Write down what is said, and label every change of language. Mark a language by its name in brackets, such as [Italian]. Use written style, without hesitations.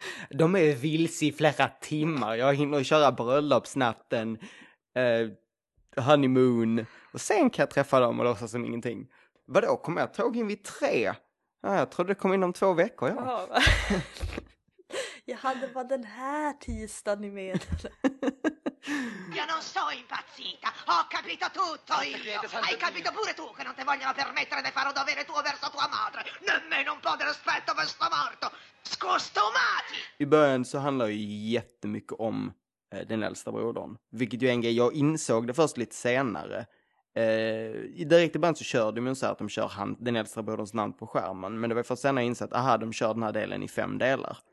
[Swedish] De är vilse i flera timmar. Jag hinner köra bröllopsnatten, honeymoon. Och sen kan jag träffa dem och låtsas som ingenting. Vadå, kommer jag tåg in vid tre? Ja, jag trodde det kom in om två veckor, ja. Jag hade bara den här tisdagen i med. [Italian] Io non so impazzita, ho capito tutto io. Hai capito pure tu che non ti vogliono permettere di fare dovere tuo verso tua madre. Nemmeno un po' di rispetto per sto morto. Scostumati! [Swedish] I början så handlar ju jättemycket om den äldsta brodern. Vilket ju en grej jag insåg det först lite senare. Direkt i början så kör de ju så här att de kör den äldsta broderns namn på skärmen. Men det var först senare insett att de kör den här delen i fem delar.